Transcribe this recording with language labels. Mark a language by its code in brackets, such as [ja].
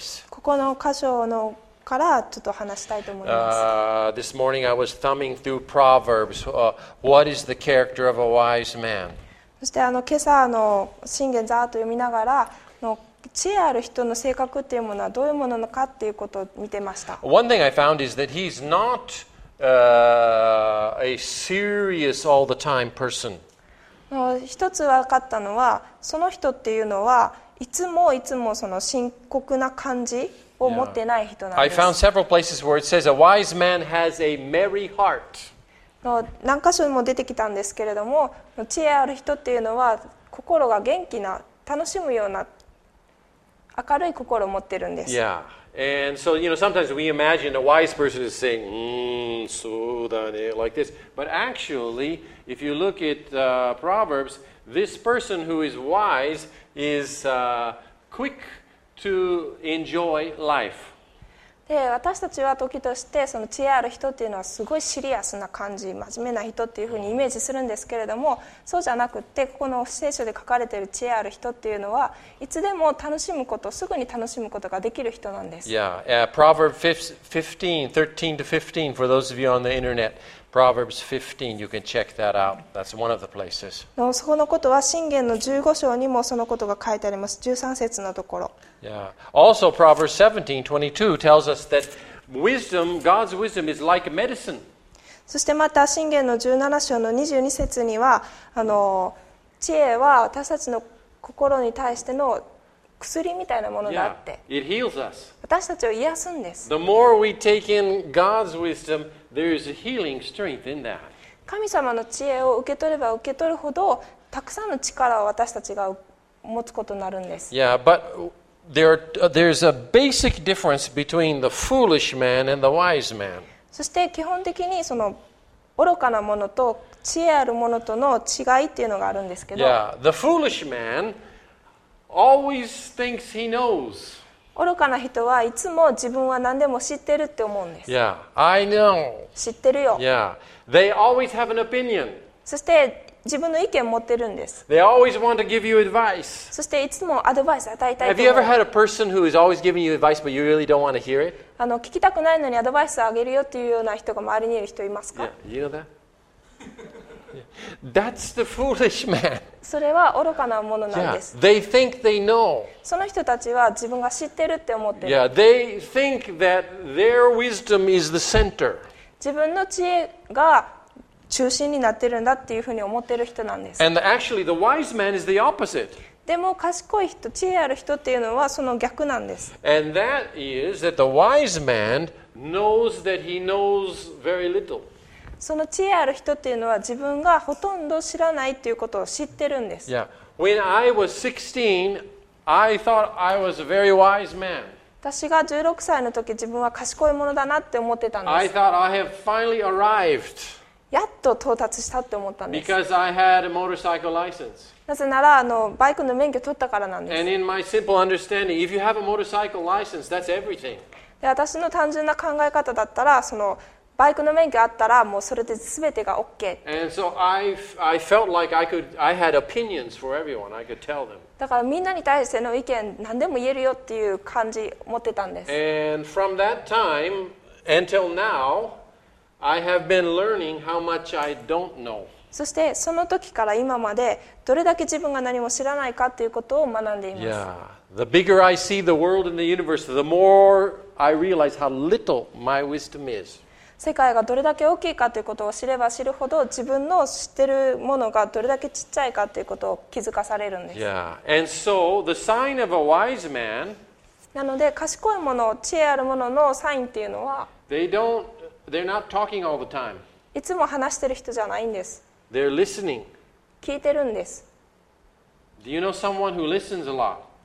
[ja] ここの箇所のからちょっと話したいと思います。 [en] This morning I was thumbing through Proverbs. What is the character of a wise man? [ja] そして今朝箴言ざーっと読みながら、知恵ある人の性格っていうものはどういうものなのかっていうことを見てました。 [en] One thing I found is that he's not a serious all the time person. [ja] 一つ分かったのは、その人っていうのはいつもいつもその深刻な感じを持ってない人なんです。 [en] I found several places where it says a wise man has a merry heart. [ja] 何箇所も出てきたんですけれども、知恵ある人っていうのは心が元気な、楽しむような明るい心を持ってるんです。 [en] Yeah. And so, you know, sometimes we imagine a wise person is saying, [ja] そうだね [en] like this. But actually,If you look at Proverbs, this person who is wise is quick to enjoy life. [ja] で、私たちは時としてその知恵ある人っていうのはすごいシリアスな感じ、真面目な人っていうふうにイメージするんですけれども、そうじゃなくて、ここの聖書で書かれている知恵ある人っていうのは、いつでも楽しむこと、すぐに楽しむことができる人なんです。 [en] Yeah, Proverbs 15, 13 to 15, for those of you on the internet. Proverbs 15, you can check that out. That's one of the places. [ja] そのことは箴言の15章にもそのことが書いてあります。 13節のところ。 [en] Yeah. Also, Proverbs 17, 22 tells us that wisdom, God's wisdom is like medicine. [ja] そしてまた箴言の17章の22節には、知恵は私たちの心に対しての薬みたいなものだって。 [en] Yeah. It heals us. [ja] 私たちを癒すんです。 [en] The more we take in God's wisdomThere is a healing strength in that. [ja] 神様の知恵を受け取れば受け取るほど、たくさんの力を私たちが持つことになるんです。 [en] Yeah, but there's a basic difference between the foolish man and the wise man. [ja] そして基本的にその愚かなものと知恵あるものとの違いっていうのがあるんですけど。 [en] Yeah, the foolish man always thinks he knows. [ja] 愚かな人はいつも自分は何でも知ってるって思うんです。 [en] Yeah, I know. [ja] 知ってるよ。 [en] Yeah. They always have an opinion. [ja] そして自分の意見を持ってるんです。 [en] They always want to give you advice. [ja] そしていつもアドバイス与えたいと思う。 [en] Have you ever had a person who is always giving you advice but you really don't want to hear it? [ja] 聞きたくないのにアドバイスをあげるよっていうような人が周りにいる人いますか? [en] Yeah, you know that? That's the foolish man. [ja] それは愚かなものなんです。 [en] Yeah, they think they know. [ja] その人たちは自分が知ってるって思ってる。 [en] Yeah, they think that their wisdom is the center. [ja] 自分の知恵が中心になってるんだっていうふうに思ってる人なんです。 [en] And actually, the wise man is the opposite. [ja] でも賢い人、知恵ある人っていうのはその逆なんです。 [en] And that is that the wise man knows that he knows very little. [ja] その知恵ある人っていうのは自分がほとんど知らないっていうことを知ってるんです。 [en] Yeah. When I was 16, I thought I was a very wise man. [ja] 私が16歳の時、自分は賢いものだなって思ってたんです。 [en] I thought I have finally arrived. [ja] やっと到達したって思ったんです。 [en] Because I had a motorcycle license. [ja] なぜならバイクの免許取ったからなんです。 [en] And in my simple understanding, if you have a motorcycle license, that's everything. [ja] で、私の単純な考え方だったら、そのバイクの免許あったらもうそれで全てが OK。 [en] And so I felt like I had opinions for everyone. I could tell them. [ja] だからみんなに対しての意見何でも言えるよっていう感じ持ってたんです。 [en] And from that time until now I have been learning how much I don't know. [ja] そしてその時から今までどれだけ自分が何も知らないかということを学んでいます。 [en] Yeah. The bigger I see the world and the universe, the more I realize how little my wisdom is. [ja] 世界がどれだけ大きいかということを知れば知るほど自分の知ってるものがどれだけちっちゃいかということを気づかされるんです。 [en] Yeah. And so, the sign of a wise man, [ja] なので賢いもの、知恵あるもののサインっていうのは [en] they're not talking all the time. [ja] いつも話してる人じゃないんです。 [en] They're listening. [ja] 聞いてるんです。 [en] Do you know someone who listens a lot?